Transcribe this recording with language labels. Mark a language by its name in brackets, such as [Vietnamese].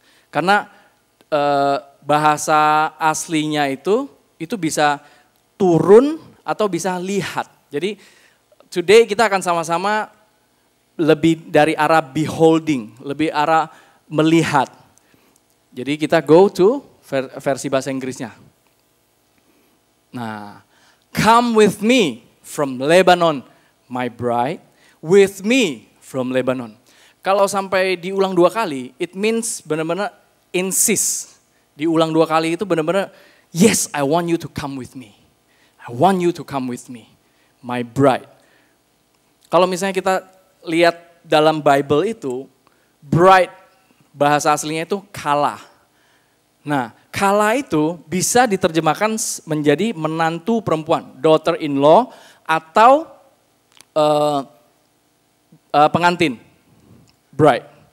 [Indonesian] Karena bahasa aslinya itu bisa turun atau bisa lihat. Jadi today kita akan sama-sama lebih dari arah beholding, lebih arah melihat. Jadi kita go to versi bahasa Inggrisnya. [English] Nah, come with me from Lebanon, my bride, with me from Lebanon. [Indonesian] Kalau sampai diulang dua kali, [English] it means [Indonesian] benar-benar insist. Diulang dua kali itu benar-benar, [English] yes, I want you to come with me. I want you to come with me, my bride. [Indonesian] Kalau misalnya kita lihat dalam Bible itu, bride bahasa aslinya itu kala. Nah, kala itu bisa diterjemahkan menjadi menantu perempuan, daughter-in-law, atau pengantin, bride.